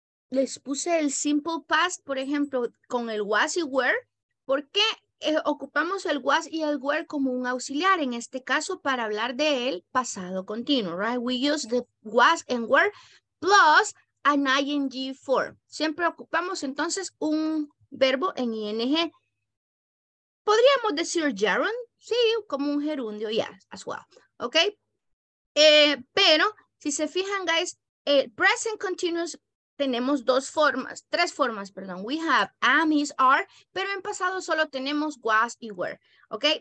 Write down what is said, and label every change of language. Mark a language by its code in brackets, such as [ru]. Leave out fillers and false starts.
[es] Les puse el simple past, por ejemplo, con el was y were. ¿Por qué ocupamos el was y el were como un auxiliar? En este caso, para hablar del pasado continuo, right? [en] We use the was and were plus an ing form. [es] Siempre ocupamos entonces un verbo en ing. Podríamos decir gerund, sí, como un gerundio, [en] yes, as well, [es] ¿ok? Pero, si se fijan, guys, el present continuous tenemos tres formas. [en] We have am, is, are, [es] pero en pasado solo tenemos was y were, ¿ok?